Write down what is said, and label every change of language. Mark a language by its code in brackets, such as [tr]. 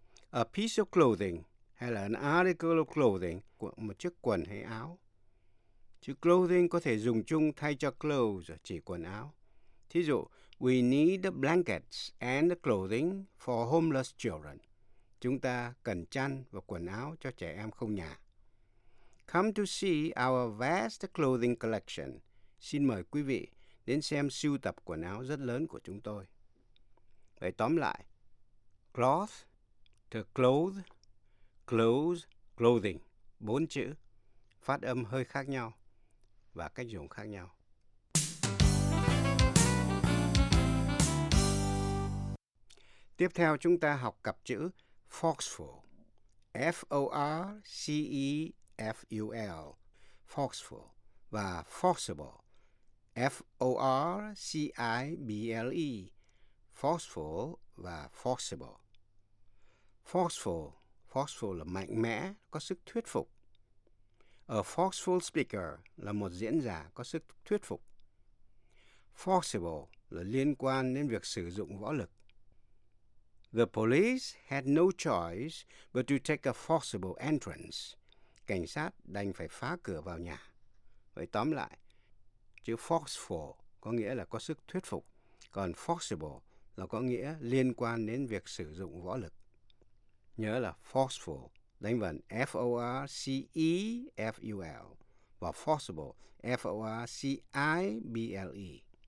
[en] A piece of clothing [vi] hay là [en] an article of clothing, [vi] một chiếc quần hay áo. Chữ clothing có thể dùng chung thay cho clothes, chỉ quần áo. Thí dụ, [en] we need blankets and clothing for homeless children. [vi] Chúng ta cần chăn và quần áo cho trẻ em không nhà. [en] Come to see our vast clothing collection. [vi] Xin mời quý vị đến xem sưu tập quần áo rất lớn của chúng tôi. Vậy tóm lại, cloth, to clothe, clothes, clothing, bốn chữ, phát âm hơi khác nhau và cách dùng khác nhau. Tiếp theo chúng ta học cặp chữ forceful, F-O-R-C-E-F-U-L, forceful, và forcible, F-O-R-C-I-B-L-E, forceful và forcible. Forceful, forceful là mạnh mẽ, có sức thuyết phục. [en] A forceful speaker [vi] là một diễn giả có sức thuyết phục. Forcible là liên quan đến việc sử dụng võ lực. [en] The police had no choice but to take a forcible entrance. [vi] Cảnh sát đành phải phá cửa vào nhà. Vậy tóm lại, chữ forceful có nghĩa là có sức thuyết phục, còn forcible là có nghĩa liên quan đến việc sử dụng võ lực. Nhớ là forceful, đánh vần F-O-R-C-E-F-U-L và forcible, F-O-R-C-I-B-L-E.